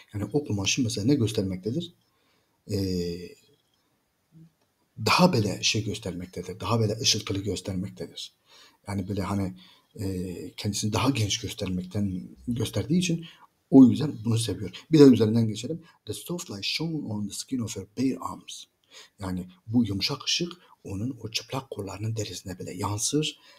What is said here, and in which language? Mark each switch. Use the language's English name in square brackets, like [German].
[Turkish] Yani o kumaşı mesela ne göstermektedir? Daha böyle şey göstermektedir. Daha böyle ışıltılı göstermektedir. Yani böyle hani kendisini daha genç gösterdiği için o yüzden bunu seviyor. Bir de üzerinden geçelim. [English] The soft light shone on the skin of her bare arms. [Turkish] Yani bu yumuşak ışık onun o çıplak kollarının derisine bile yansır.